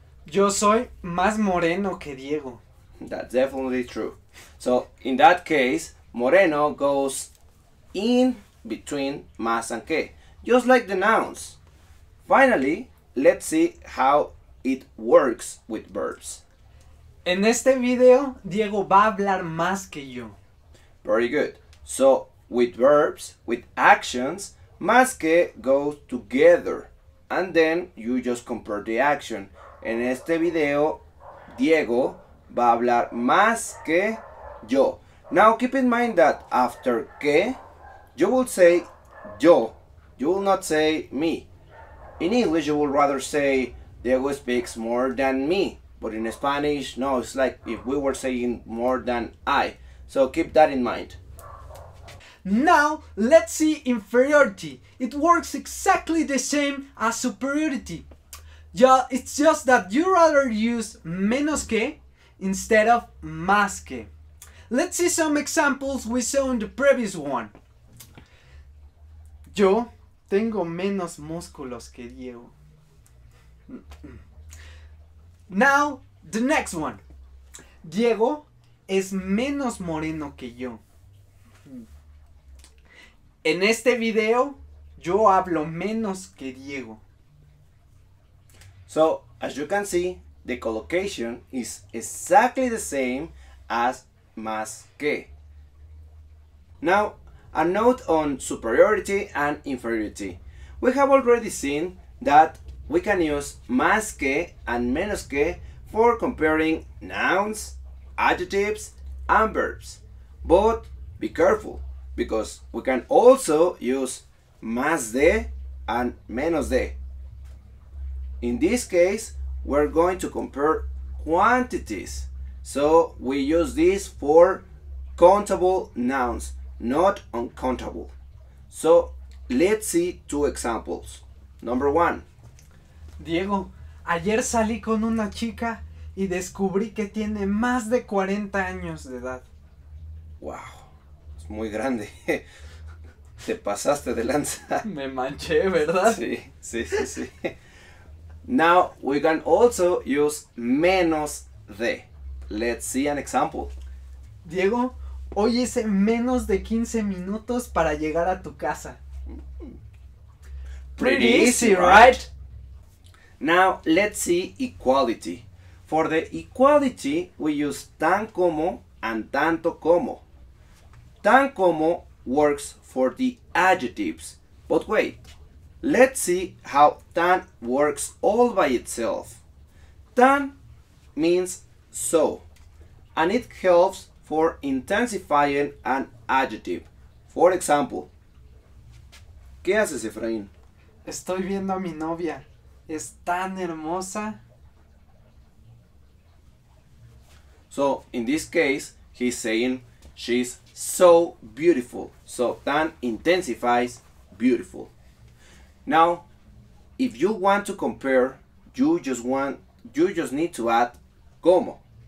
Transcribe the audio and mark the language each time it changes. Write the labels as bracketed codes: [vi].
[es] Yo soy más moreno que Diego. [en] That's definitely true. So, in that case, moreno goes in between más and que, just like the nouns. Finally, let's see how it works with verbs. [es] En este video, Diego va a hablar más que yo. [en] Very good. So, with verbs, with actions, más que goes together, and then you just compare the action. [es] En este video, Diego va a hablar más que yo. [en] Now, keep in mind that after que, you will say yo. You will not say me. In English, you will rather say Diego speaks more than me. But in Spanish, no, it's like if we were saying more than I. So keep that in mind. Now, let's see inferiority. It works exactly the same as superiority. Yeah, it's just that you rather use menos que instead of más que. Let's see some examples we saw in the previous one. [es] Yo tengo menos músculos que Diego. [en] Now, the next one. [es] Diego es menos moreno que yo. En este video, yo hablo menos que Diego. [en] So, as you can see, the collocation is exactly the same as más que. Now, a note on superiority and inferiority. We have already seen that we can use más que and menos que for comparing nouns, adjectives, and verbs. But be careful, because we can also use más de and menos de. In this case, we're going to compare quantities. So we use this for countable nouns, not uncountable. So let's see two examples. Number one. [es] Diego, ayer salí con una chica y descubrí que tiene más de 40 años de edad. Wow. Muy grande. Te pasaste de lanza. Me manché, ¿verdad? [en] Sí. Now we can also use menos de. Let's see an example. [es] Diego, hoy hice menos de 15 minutos para llegar a tu casa. [en] Pretty easy, right? Now let's see equality. For the equality, we use tan como and tanto como. Tan como works for the adjectives, but wait, let's see how tan works all by itself. Tan means so, and it helps for intensifying an adjective. For example, [es] ¿qué haces, Efraín? Estoy viendo a mi novia, es tan hermosa. [en] So, in this case, he's saying she's so beautiful. So tan intensifies beautiful. Now, if you want to compare, you just need to add como.